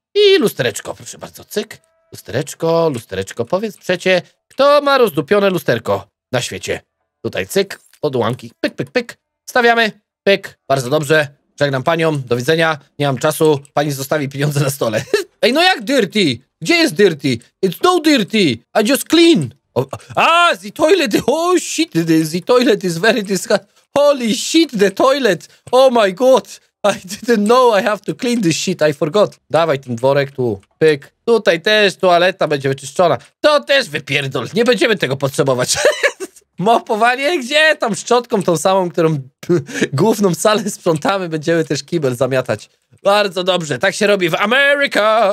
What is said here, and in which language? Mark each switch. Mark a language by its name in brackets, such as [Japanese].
[Polish] I lustereczko, proszę bardzo, cyk. Lustereczko, lustereczko. Powiedz przecie, kto ma rozdupione lusterko na świecie? Tutaj cyk, odłamki, pyk, pyk, pyk. Stawiamy, pyk. Bardzo dobrze. Żegnam panią, do widzenia. Nie mam czasu, pani zostawi pieniądze na stole. Ej, no jak dirty? Gdzie jest dirty? [English] It's no dirty, I just clean. The toilet, oh shit, the toilet is very disgusting. Holy shit, the toilet! Oh my god! I didn't know I have to clean this shit, I forgot. [Polish] Dawaj ten dworek tu, pyk. Tutaj też toaleta będzie wyczyszczona. To też wypierdol, nie będziemy tego potrzebować. Mopowanie, gdzie? Tam szczotką tą samą, którą główną salę sprzątamy, będziemy też kibel zamiatać. Bardzo dobrze, tak się robi w America!